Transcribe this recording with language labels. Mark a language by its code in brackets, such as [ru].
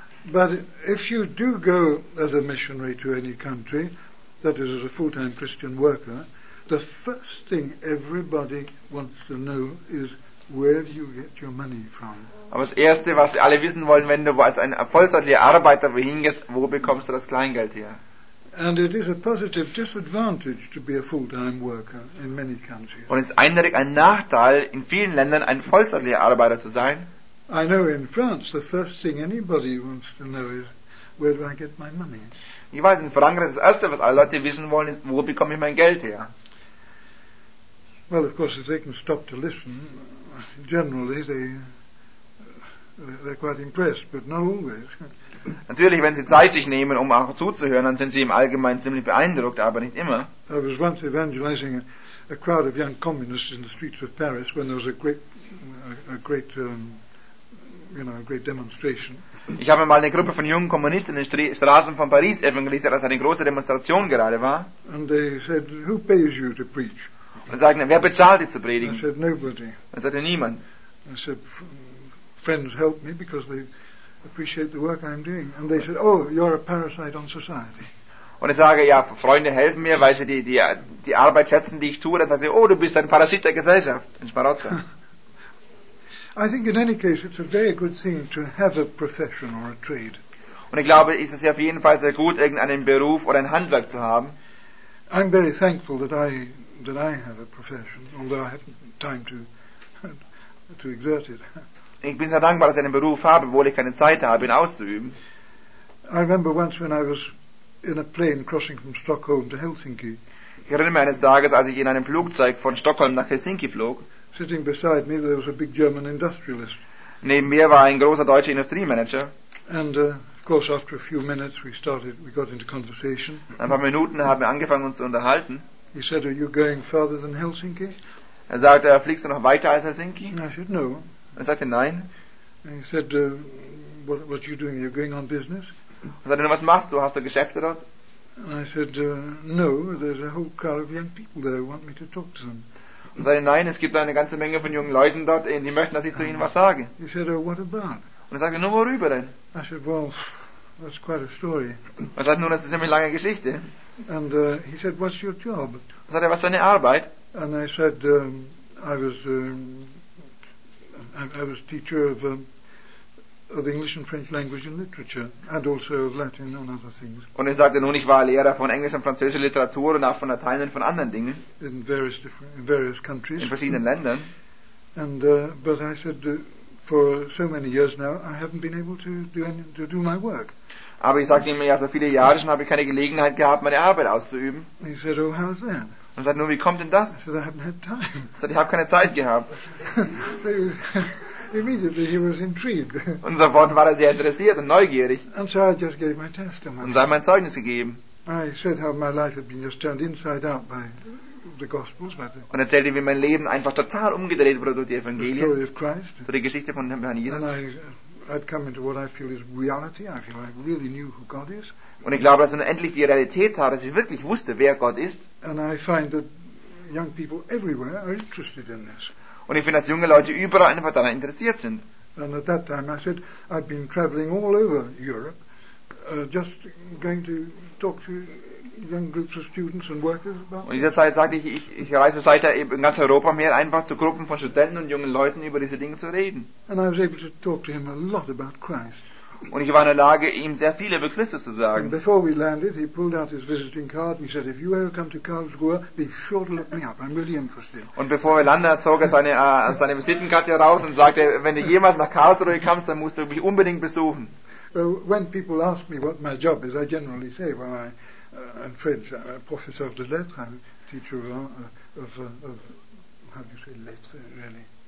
[en] But if you do go as a missionary to any country, that is as a full-time Christian worker, the first thing everybody wants to know is where do you get your money from. [de] Aber das erste, was alle wissen wollen, wenn du als ein vollzeitlicher Arbeiter wohin gehst, wo bekommst du das Kleingeld her? [en] And it is a positive disadvantage to be a full-time worker in many countries. [de] Und es ist eindeutig ein Nachteil, in vielen Ländern ein vollzeitlicher Arbeiter zu sein. [en] I know in France the first thing anybody wants to know is where do I get my money? [de] Ich weiß, in Frankreich das erste, was alle Leute wissen wollen, ist, wo bekomme ich mein Geld her? [en] Well, of course, if they can stop to listen, generally they're quite impressed, but not always. [de] Natürlich, wenn sie Zeit sich nehmen, um auch zuzuhören, dann sind sie im Allgemeinen ziemlich beeindruckt, aber nicht immer. [en] I was once evangelizing a crowd of young communists in the streets of Paris when there was a great demonstration. [de] Ich habe mal eine Gruppe von jungen Kommunisten in den Straßen von Paris evangelisiert, als eine große Demonstration gerade war. [en] And they said, who pays you to preach? [de] Und sagten, wer bezahlt dich zu predigen? [en] I said, nobody. [de] Dann sagte niemand. [en] I said, friends help me because they appreciate the work I'm doing. And they said, oh, you're a parasite on society. [de] Und ich sage, ja, Freunde helfen mir, weil sie die Arbeit schätzen, die ich tue. Dann sagt sie, oh, du bist ein Parasit der Gesellschaft in Sparotta. [en] I think in any case it's a very good thing to have a profession or a trade. [de] Und ich glaube, ist es ja auf jeden Fall sehr gut, irgendeinen Beruf oder ein Handwerk zu haben. [en] I'm very thankful that I have a profession, although I haven't time to exert it. [de] Ich bin sehr dankbar, dass ich einen Beruf habe, obwohl ich keine Zeit habe, ihn auszuüben. [en] I remember once when I was in a plane crossing from Stockholm to Helsinki. [de] Ich erinnere mich eines Tages, als ich in einem Flugzeug von Stockholm nach Helsinki flog. [en] Sitting beside me, there was a big German industrialist. [de] Neben mir war ein großer deutscher Industriemanager. [en] And of course, after a few minutes, we got into conversation. [de] Ein paar Minuten haben wir angefangen, uns zu unterhalten. [en] He said, "Are you going further than Helsinki?" [de] Er sagte, fliegst du noch weiter als Helsinki? [en] And I said, "No." [de] Er sagte, nein. [en] And he said, "What are you doing? Are you going on business?" [de] Er sagte, was machst du? Hast du Geschäfte dort? [en] And I said, "No. There's a whole crowd of young people there who want me to talk to them." [de] Er sagte, nein, es gibt eine ganze Menge von jungen Leuten dort, die möchten, dass ich zu ihnen was sage. [en] He said, oh, what about? [de] Und er sagte, nur worüber denn? [en] I said, well, that's quite a story. [de] Er sagte, nun, das ist eine ziemlich lange Geschichte. [en] And he said, what's your job? [de] Er sagte, was ist deine Arbeit? [en] And I said, I was teacher of English and French language and literature, and also of Latin and other things. [de] Und er sagte, nun, ich war Lehrer von Englisch und Französischer Literatur und auch von Latein und von anderen Dingen. [en] In various countries. [de] In verschiedenen Ländern. [en] And but I said, for so many years now, I haven't been able to do any, to do my work. [de] Aber ich sagte ihm, ja, so viele Jahre schon habe ich keine Gelegenheit gehabt, meine Arbeit auszuüben. [en] He said, oh, how's that? [de] Und sagt, nur, wie kommt denn das? [en] I said, I haven't had time. [de] Sagt, ich habe keine Zeit gehabt. [en] So immediately he was intrigued. [de] Und sofort war er sehr interessiert und neugierig. [en] And so I just gave my testimony. [de] Und so habe mein Zeugnis gegeben. [en] I said how my life had been just turned inside out by the Gospels, by the [de] und erzählte, wie mein Leben einfach total umgedreht wurde durch die Evangelien. [en] The story of Christ. [de] Durch die Geschichte von Herrn Jesus. [en] And I'd come into what I feel is reality. I feel I really knew who God is. [de] Und ich glaube, dass ich endlich die Realität hatte, dass ich wirklich wusste, wer Gott ist. [en] And I find that young people everywhere are interested in this. [de] Und ich finde, dass junge Leute überall einfach daran interessiert sind. [en] And at that time I said, I've been traveling all over Europe, just going to talk to young groups of students and workers about. [de] Und in dieser Zeit sagte ich, ich reise seit der in ganz Europa mehr einfach zu Gruppen von Studenten und jungen Leuten über diese Dinge zu reden. [en] And I was able to talk to him a lot about Christ. [de] Und ich war in der Lage, ihm sehr viel über Christus zu sagen. [en] And before we landed, he pulled out his visiting card and he said, if you ever come to Karlsruhe, be sure to look me up. I'm really interested. [de] Und bevor wir landen, zog er seine Visitenkarte raus und sagte, wenn du jemals nach Karlsruhe kommst, dann musst du mich unbedingt besuchen. [en] When people ask me what my job is, I generally say, well, I'm French, I'm a professor of the lettres, I'm a teacher of how do you say lettres, really?